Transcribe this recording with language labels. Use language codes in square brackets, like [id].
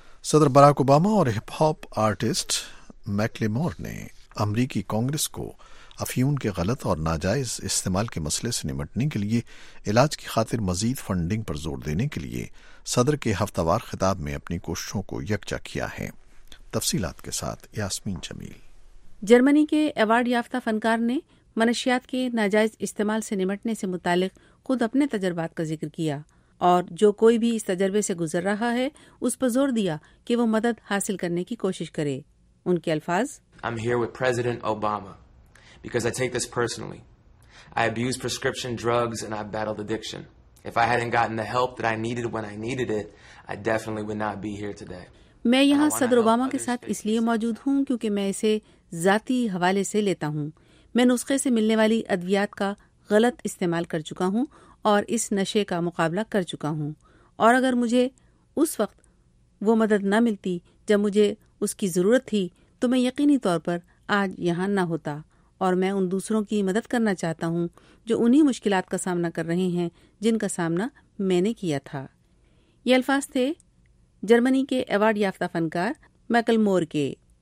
[ur] صدر Barack Obama اور hip hop artist میکلیمور نے امریکی کانگریس کو افیون کے غلط اور ناجائز استعمال کے مسئلے سے نمٹنے کے لیے علاج کی خاطر مزید فنڈنگ پر زور دینے کے لیے صدر کے ہفتہ وار خطاب میں اپنی کوششوں کو یکجا کیا ہے۔ تفصیلات کے ساتھ یاسمین جمیل۔ جرمنی کے ایوارڈ یافتہ فنکار نے منشیات کے ناجائز استعمال سے نمٹنے سے متعلق خود اپنے تجربات کا ذکر کیا، اور جو کوئی بھی اس تجربے سے گزر رہا ہے اس پر زور دیا کہ وہ مدد حاصل کرنے کی کوشش کرے۔ ان کے الفاظ، [en] I'm here with President Obama because I take this personally. I abuse prescription drugs and I battled addiction. If I hadn't gotten the help that I needed when I needed it, I definitely would not be here today. [ur] میں یہاں صدر Obama کے ساتھ اس لیے موجود ہوں کیونکہ میں اسے ذاتی حوالے سے لیتا ہوں۔ میں نسخے سے ملنے والی ادویات کا غلط استعمال کر چکا ہوں اور اس نشے کا مقابلہ کر چکا ہوں، اور اگر مجھے اس وقت وہ مدد نہ ملتی جب مجھے اس کی ضرورت تھی تو میں یقینی طور پر آج یہاں نہ ہوتا، اور میں ان دوسروں کی مدد کرنا چاہتا ہوں جو انہی مشکلات کا سامنا کر رہے ہیں جن کا سامنا میں نے کیا تھا۔ یہ الفاظ تھے جرمنی کے ایوارڈ یافتہ فنکار میکلیمور کے۔